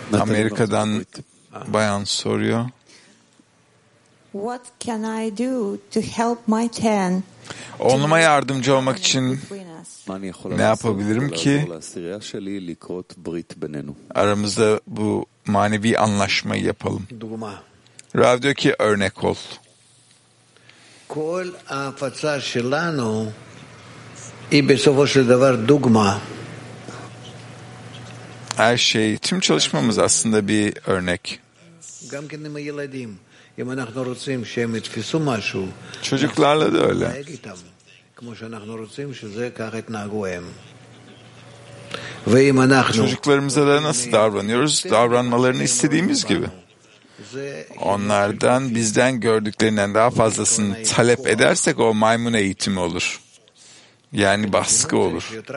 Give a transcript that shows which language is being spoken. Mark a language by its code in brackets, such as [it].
[tr] Amerika'dan bayan soruyor. [en] What can I do to help my ten? [tr] Onluma yardımcı olmak için ne yapabilirim ki? Aramızda bu manevi anlaşmayı yapalım. Rav diyor ki örnek ol. [he] כל ההפצה שלנו היא בסופו של דבר דוגמה. [tr] Her şey, tüm çalışmamız aslında bir örnek. [he] גם כן עם הילדים. אם אנחנו רוצים שהם יתפסו משהו, [tr] çocuklarla da öyle. [he] כמו שאנחנו רוצים שזה כך יתנהגו הם. ואם אנחנו... [tr] çocuklarımıza da nasıl davranıyoruz? Davranmalarını istediğimiz gibi. Onlardan bizden gördüklerinden daha fazlasını talep edersek o maymun eğitimi olur. Yani baskı olur.